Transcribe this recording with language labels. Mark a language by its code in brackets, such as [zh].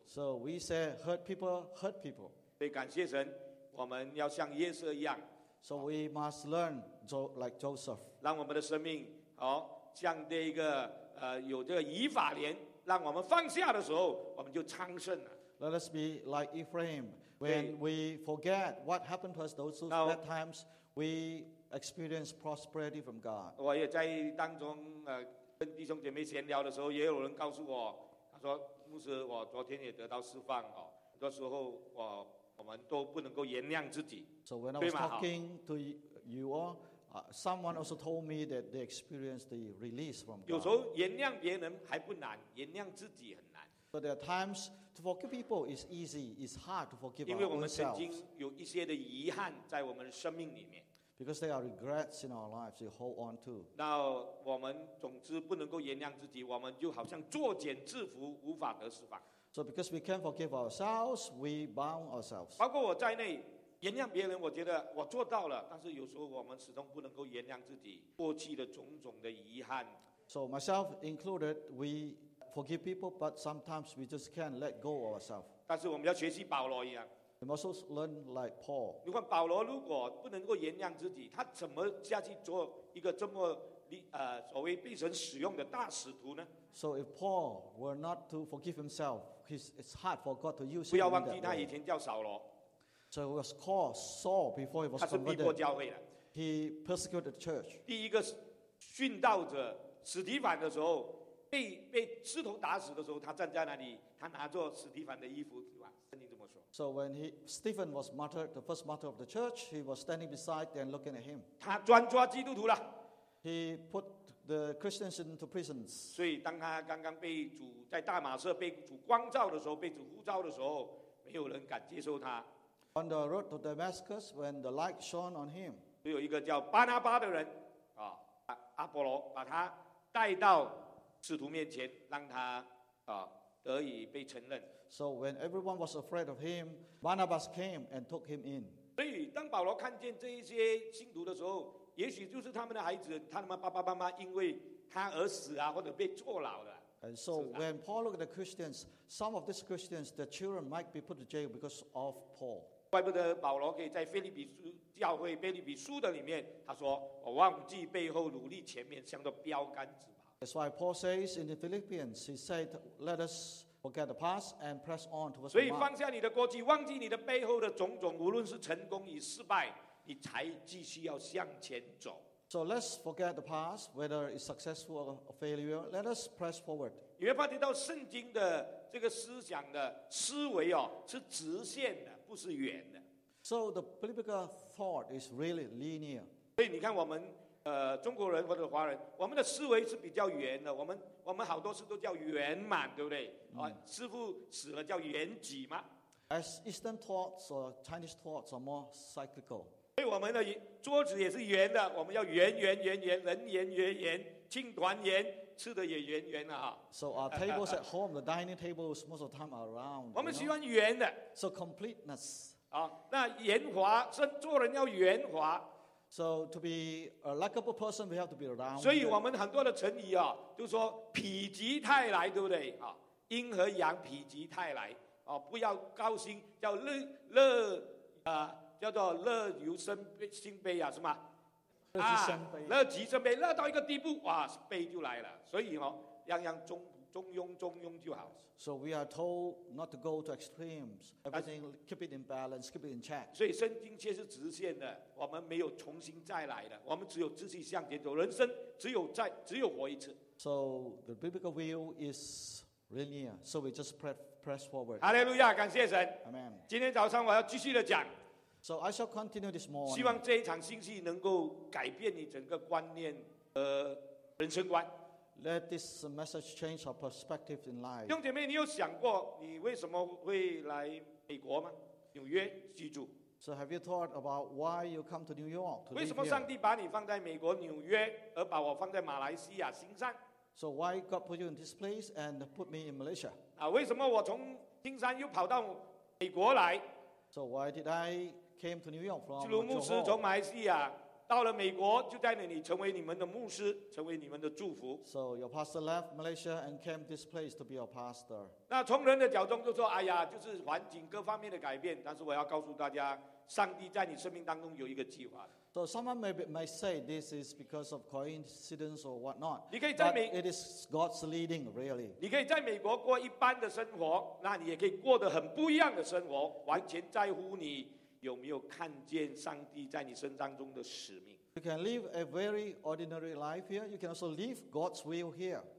[en] So we say hurt people, hurt people. [zh] 所以感谢神，我们要像约瑟一样。 [en] So we must learn like Joseph. 让我们的生命像这一个。有这个以法莲，让我们放下的时候，我们就昌盛了。 Let us be like Ephraim. When we forget what happened to us those bad times, we experience prosperity from God. [zh] 我也在当中跟弟兄姐妹闲聊的时候，也有人告诉我，他说，牧师，我昨天也得到释放，很多时候我们都不能够原谅自己。 [en] So when I was talking to you all, someone also told me that they experienced the release from God. [zh] 有时候原谅别人还不难，原谅自己很难。 [en] So there are times To forgive people is easy, it's hard to forgive ourselves. [zh] 因为我们曾经有一些的遗憾在我们的生命里面。 [en] Because there are regrets in our lives we hold on to. [zh] 那我们总之不能够原谅自己，我们就好像作茧自缚，无法得释放。 [en] So because we can't forgive ourselves, we bound ourselves. [zh] 包括我在内，原谅别人，我觉得我做到了，但是有时候我们始终不能够原谅自己过去的种种的遗憾。 [en] So myself included, we forgive people, but sometimes we just can't let go of ourselves. [zh] 但是我们要学习保罗一样。 [en] We must also learn like Paul. [zh] 你看保罗如果不能够原谅自己，他怎么下去做一个这么所谓被神使用的大使徒呢？ [en] So if Paul were not to forgive himself, it's hard for God to use him. [zh] 不要忘记他以前叫扫罗。 [en] So he was called Saul before he was converted. [zh] 他是逼迫教会的。 [en] He persecuted the church. [zh] 第一个殉道者史提凡的时候，被刺头打死的时候，他站在那里，他拿着史提凡的衣服，对吧？圣经这么说。 [en] So when Stephen was martyred, the first martyr of the church, he was standing beside and looking at him. [zh] 他专抓基督徒了。 [en] He put the Christians into prisons. [zh] 所以当他刚刚被主在大马色被主光照的时候，被主呼召的时候，没有人敢接受他。 [en] On the road to Damascus, when the light shone on him, [zh] 有一个叫巴拿巴的人，阿波罗把他带到使徒面前，让他得以被承认。 [en] So when everyone was afraid of him, Barnabas came and took him in. [zh] 所以当保罗看见这一些信徒的时候，也许就是他们的孩子，他们爸爸妈妈因为他而死啊，或者被坐牢的。 [en] And so when Paul looked at the Christians, some of these Christians, the children might be put to jail because of Paul. [zh] 怪不得保罗可以在腓立比书教会腓立比书的里面，他说我忘记背后，努力前面，像个标杆子。 [en] That's why Paul says in the Philippians, he said, let us forget the past and press on towards the mark. [zh] 所以放下你的过去，忘记你的背后的种种，无论是成功与失败，你才继续要向前走。 [en] So let's forget the past, whether it's successful or a failure, let us press forward. [zh] 你会发觉到圣经的这个思想的思维哦，是直线的，不是远的。 [en] So the biblical thought is really linear. [zh] 所以你看我们中国人或者华人，我们的思维是比较圆的，我们好多事都叫圆满，对不对？师父死了叫圆寂吗？ [en] As Eastern thoughts or Chinese thoughts are more cyclical. [zh] 所以我们的桌子也是圆的，我们要圆圆圆圆，人圆圆圆，庆团圆，吃的也圆圆的。 [en] So our tables at home, the dining tables most of the time are round. [zh] 我们喜欢圆的。 [en] So completeness. [zh] 那圆滑，做人要圆滑。 [en] So to be a likable person, we have to be round. [zh] 所以我们很多的成语啊，就是说否极泰来，对不对？阴和阳，否极泰来，不要高兴，叫乐由生心悲啊，是吗？乐极生悲，乐到一个地步，哇，悲就来了。所以哦，样样中庸就好。 [en] So we are told not to go to extremes. Everything keep it in balance, keep it in check. [zh] 所以圣经却是直线的，我们没有重新再来的，我们只有继续向前走。人生只有活一次。 [en] So the biblical view is linear. So we just press forward. [zh] 哈利路亚，感谢神。 [en] Amen. [zh] 今天早上我要继续的讲。 [en] So I shall continue this morning. [zh] 希望这一场信息能够改变你整个观念和人生观。 [en] Let this message change our perspective in life. [zh] 弟兄姐妹，你有想过你为什么会来美国吗？纽约居住。 [en] So have you thought about why you come to New York to live here? [zh] 为什么上帝把你放在美国纽约，而把我放在马来西亚新山？ [en] So why God put you in this place and put me in Malaysia? [zh] 为什么我从新山又跑到美国来？ [en] So why did I came to New York from [zh] Johor? 基督牧师从马来西亚到了美国，就带领你成为你们的牧师，成为你们的祝福。 [en] So your pastor left Malaysia and came this place to be your pastor. [zh] 那从人的角度就说，哎呀，就是环境各方面的改变。但是我要告诉大家，上帝在你生命当中有一个计划。 [en] So someone may say this is because of coincidence or whatnot. [zh] 你可以在美 [en] but it is God's leading, really. [zh] 你可以在美国过一般的生活，那你也可以过得很不一样的生活，完全在乎你。有没有看见上帝在你身上中的使命？ [en] You can live a very ordinary life here. You can also live God's will here.